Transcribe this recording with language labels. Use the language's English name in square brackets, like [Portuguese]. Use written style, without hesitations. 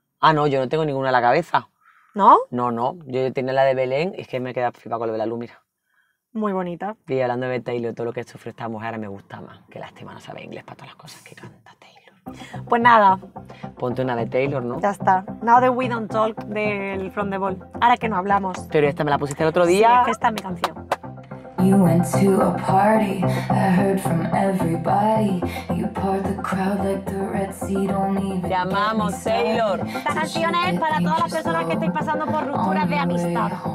[Spanish] Ah, no, yo no tengo ninguna en la cabeza. ¿No? No, yo tenía la de Belén y es que me queda flipada con lo de la luz, mira. Muy bonita. Y hablando de Taylor, todo lo que sufre esta mujer ahora me gusta más. Qué lástima, no sabe inglés para todas las cosas que canta Taylor. Pues nada. Ponte una de Taylor, ¿no? Ya está. [English] Now that we don't talk del From the Ball. [Spanish] Ahora que no hablamos. Pero esta me la pusiste el otro día. Sí, es que esta es mi canción. [English] You went to a party, I heard from everybody. You part the crowd like the Red Sea, don't even. [Spanish] Llamamos Taylor. Esta canción es para todas las personas que estáis pasando por rupturas de amistad.